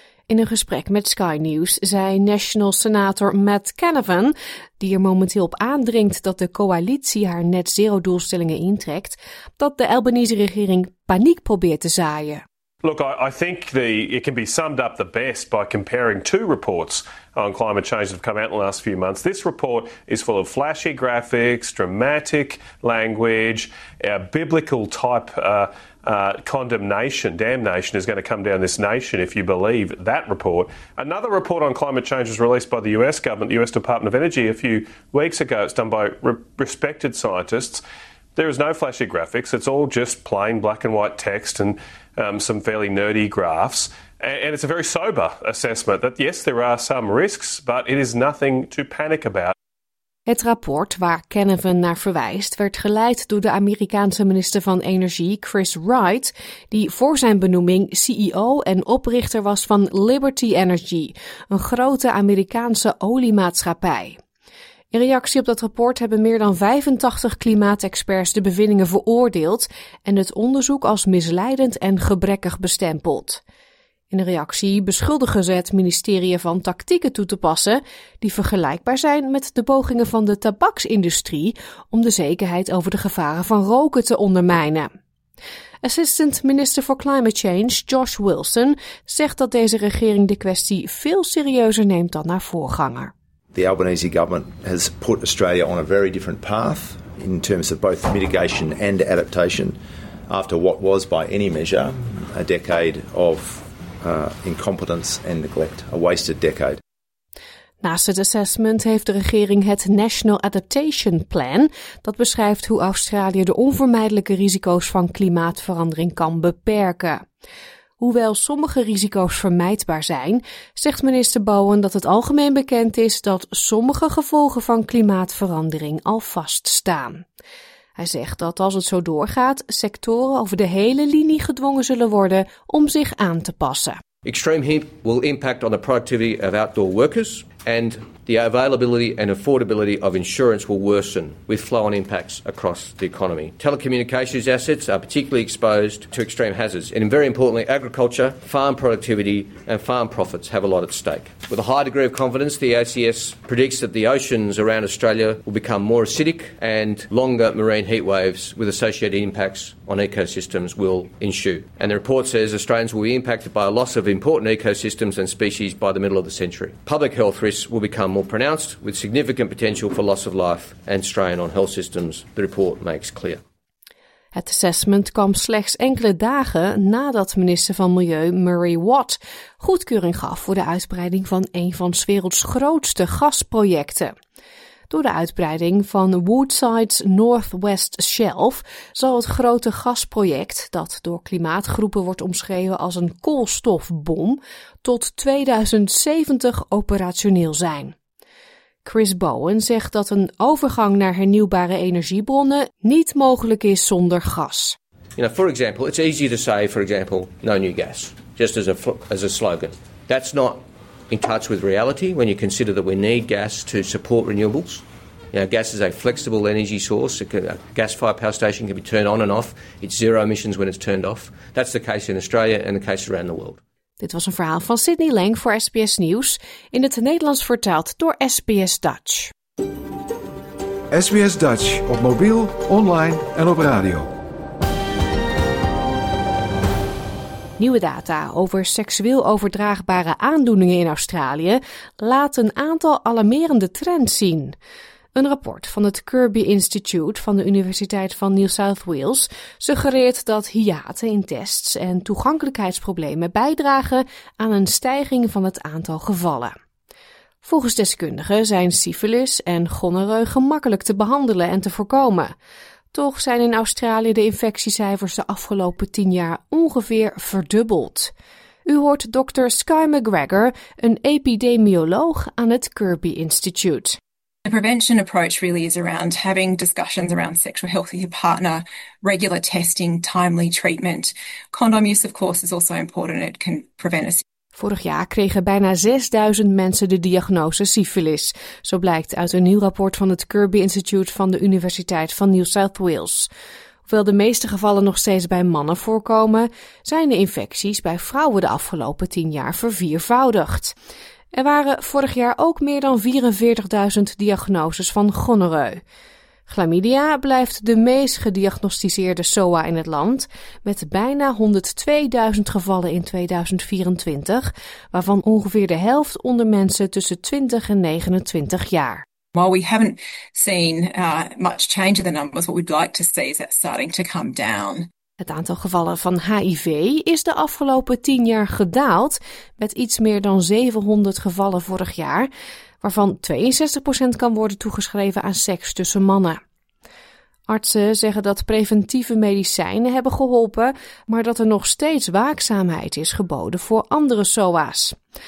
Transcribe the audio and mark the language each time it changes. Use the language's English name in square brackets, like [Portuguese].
[Dutch] In een gesprek met Sky News zei National Senator Matt Canavan, die er momenteel op aandringt dat de coalitie haar net zero doelstellingen intrekt, dat de Albanese regering paniek probeert te zaaien. [English] Look, I think it can be summed up the best by comparing two reports on climate change that have come out in the last few months. This report is full of flashy graphics, dramatic language, a biblical type damnation is going to come down this nation if you believe that report. Another report on climate change was released by the US government, the US Department of Energy, a few weeks ago. It's done by respected scientists. There is no flashy graphics. It's all just plain black and white text and some fairly nerdy graphs. And it's a very sober assessment that yes, there are some risks, but it is nothing to panic about. [Dutch] Het rapport waar Canavan naar verwijst werd geleid door de Amerikaanse minister van Energie, Chris Wright, die voor zijn benoeming CEO en oprichter was van Liberty Energy, een grote Amerikaanse oliemaatschappij. In reactie op dat rapport hebben meer dan 85 klimaatexperts de bevindingen veroordeeld en het onderzoek als misleidend en gebrekkig bestempeld. In de reactie beschuldigen ze het ministerie van tactieken toe te passen die vergelijkbaar zijn met de pogingen van de tabaksindustrie om de zekerheid over de gevaren van roken te ondermijnen. Assistant Minister for Climate Change Josh Wilson zegt dat deze regering de kwestie veel serieuzer neemt dan haar voorganger. [English] The Albanese government has put Australia on a very different path in terms of both mitigation and adaptation after what was by any measure a decade of incompetence and neglect, a wasted decade. [Dutch] Naast het assessment heeft de regering het National Adaptation Plan, dat beschrijft hoe Australië de onvermijdelijke risico's van klimaatverandering kan beperken. Hoewel sommige risico's vermijdbaar zijn, zegt minister Bowen dat het algemeen bekend is dat sommige gevolgen van klimaatverandering al vaststaan. Hij zegt dat als het zo doorgaat, sectoren over de hele linie gedwongen zullen worden om zich aan te passen. [English] Extreme heat will impact on the productivity of outdoor workers and the availability and affordability of insurance will worsen with flow-on impacts across the economy. Telecommunications assets are particularly exposed to extreme hazards and very importantly agriculture, farm productivity and farm profits have a lot at stake. With a high degree of confidence, the ACS predicts that the oceans around Australia will become more acidic and longer marine heat waves with associated impacts on ecosystems will ensue. And the report says Australians will be impacted by a loss of important ecosystems and species by the middle of the century. Public health risks will become more pronounced, with significant potential for loss of life and strain on health systems, the report makes clear. [Dutch] Het assessment kwam slechts enkele dagen nadat minister van Milieu Murray Watt goedkeuring gaf voor de uitbreiding van een van 's werelds grootste gasprojecten. Door de uitbreiding van Woodside's Northwest Shelf zal het grote gasproject, dat door klimaatgroepen wordt omschreven als een koolstofbom, tot 2070 operationeel zijn. Chris Bowen zegt dat een overgang naar hernieuwbare energiebronnen niet mogelijk is zonder gas. [English] You know, for example, it's easy to say, for example, no new gas, just as a slogan. That's not in touch with reality when you consider that we need gas to support renewables. You know, gas is a flexible energy source. A gas-fired power station can be turned on and off. It's zero emissions when it's turned off. That's the case in Australia and the case around the world. [Dutch] Dit was een verhaal van Sydney Lang voor SBS Nieuws, in het Nederlands vertaald door SBS Dutch. SBS Dutch op mobiel, online en op radio. Nieuwe data over seksueel overdraagbare aandoeningen in Australië laat een aantal alarmerende trends zien. Een rapport van het Kirby Institute van de Universiteit van New South Wales suggereert dat hiaten in tests en toegankelijkheidsproblemen bijdragen aan een stijging van het aantal gevallen. Volgens deskundigen zijn syfilis en gonorreu gemakkelijk te behandelen en te voorkomen. Toch zijn in Australië de infectiecijfers de afgelopen 10 jaar ongeveer verdubbeld. U hoort Dr. Sky McGregor, een epidemioloog aan het Kirby Institute. [English] The prevention approach really is around having discussions around sexual health with your partner, regular testing, timely treatment. Condom use, of course, is also important. It can prevent a... [Dutch] Vorig jaar kregen bijna 6000 mensen de diagnose syfilis. Zo blijkt uit een nieuw rapport van het Kirby Institute van de Universiteit van New South Wales. Hoewel de meeste gevallen nog steeds bij mannen voorkomen, zijn de infecties bij vrouwen de afgelopen 10 jaar verviervoudigd. Er waren vorig jaar ook meer dan 44.000 diagnoses van gonorreu. Chlamydia blijft de meest gediagnosticeerde SOA in het land, met bijna 102.000 gevallen in 2024, waarvan ongeveer de helft onder mensen tussen 20 en 29 jaar. [English] While we haven't seen much change in the numbers, what we'd like to see is that starting to come down. [Dutch] Het aantal gevallen van HIV is de afgelopen 10 jaar gedaald, met iets meer dan 700 gevallen vorig jaar, waarvan 62% kan worden toegeschreven aan seks tussen mannen. Artsen zeggen dat preventieve medicijnen hebben geholpen, maar dat er nog steeds waakzaamheid is geboden voor andere SOA's.